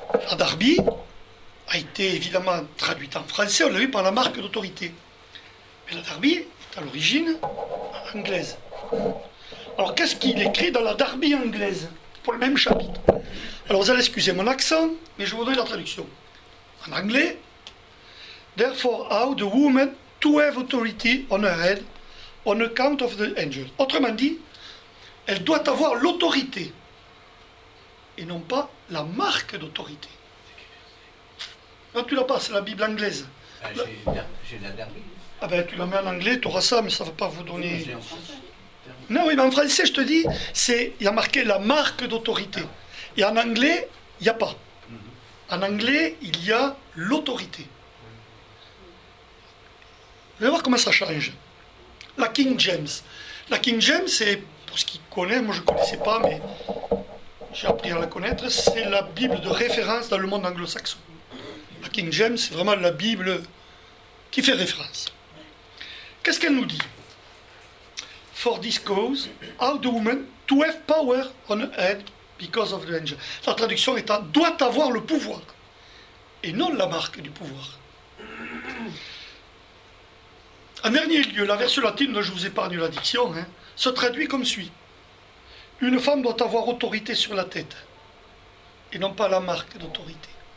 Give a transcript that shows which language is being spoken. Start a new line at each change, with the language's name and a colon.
French: La Darby a été évidemment traduite en français, on l'a vu par la marque d'autorité. Mais la Darby est à l'origine anglaise. Alors qu'est-ce qu'il écrit dans la Darby anglaise pour le même chapitre? Alors vous allez excuser mon accent, mais je vous donne la traduction. En anglais,
English: therefore how the woman to have authority on her head on account of the angel.
French: Autrement dit, elle doit avoir l'autorité et non pas la marque d'autorité. Non, tu l'as pas, c'est la Bible anglaise. J'ai la Darby. Ah ben, tu la mets en anglais, tu auras ça, mais ça ne va pas vous donner... Non, oui, mais en français, je te dis, c'est, il y a marqué la marque d'autorité. Et en anglais, il n'y a pas. En anglais, il y a l'autorité. Vous allez voir comment ça change. La King James. La King James, c'est, pour ceux qui connaissent, moi je ne connaissais pas, mais j'ai appris à la connaître, c'est la Bible de référence dans le monde anglo-saxon. La King James, c'est vraiment la Bible qui fait référence. Qu'est-ce qu'elle nous dit?
English: For this cause, how the woman to have power on her head because of the angel.
French: La traduction étant doit avoir le pouvoir et non la marque du pouvoir. En dernier lieu, la version latine dont je vous épargne la diction se traduit comme suit. Une femme doit avoir autorité sur la tête et non pas la marque d'autorité.